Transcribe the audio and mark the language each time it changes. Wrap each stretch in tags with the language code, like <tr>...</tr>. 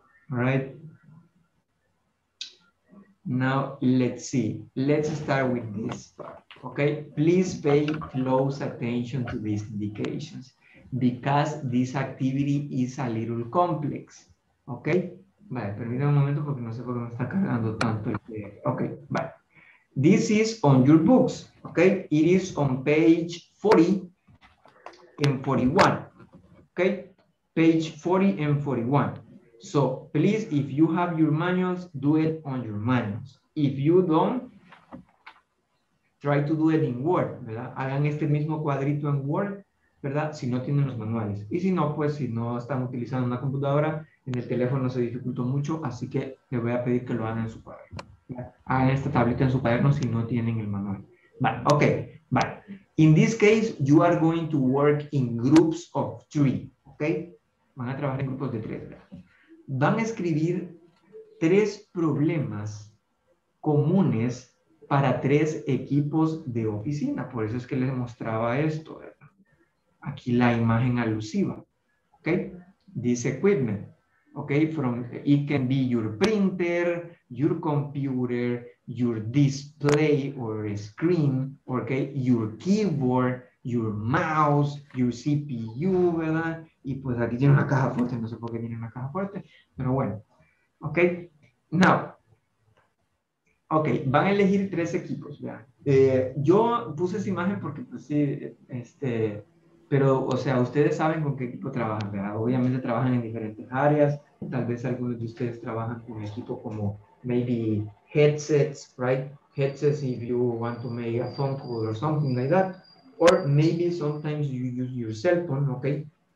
<en>All right, now let's see. Let's start with this part, okay? Please pay close attention to these indications because this activity is a little complex, okay?</en> <es>Vale, permítame un momento porque no sé por qué me está cargando tanto.</es> <en>Ok, vale. This is on your books, ok. It is on page 40 and 41, ok. Page 40 and 41. So, please, if you have your manuals, do it on your manuals. If you don't, try to do it in Word, ¿verdad?</en> <es>Hagan este mismo cuadrito en Word, ¿verdad? Si no tienen los manuales. Y si no, pues, si no están utilizando una computadora, en el teléfono se dificultó mucho, así que le voy a pedir que lo hagan en su cuaderno. Hagan esta tablita en su cuaderno si no tienen el manual. Vale, ok, vale.</es> <en>In this case, you are going to work in groups of three, ok.</en> <es>Van a trabajar en grupos de tres, ¿verdad? Van a escribir tres problemas comunes para tres equipos de oficina. Por eso es que les mostraba esto, ¿verdad? Aquí la imagen alusiva, ok. This equipment.</es> <en>Okay, from it can be your printer, your computer, your display or screen, okay, your keyboard, your mouse, your CPU, ¿verdad?</en> <es>Y pues aquí tiene una caja fuerte, no sé por qué tiene una caja fuerte, pero bueno. Okay, now, okay, van a elegir tres equipos, ¿verdad? Yo puse esa imagen porque, pues sí, pero, o sea, ustedes saben con qué equipo trabajan, ¿verdad? Obviamente trabajan en diferentes áreas. Tal vez algunos de ustedes trabajan con equipo como maybe headsets, right?</es> <en>Headsets if you want to make a phone call or something like that. Or maybe sometimes you use your cell phone, okay?</en>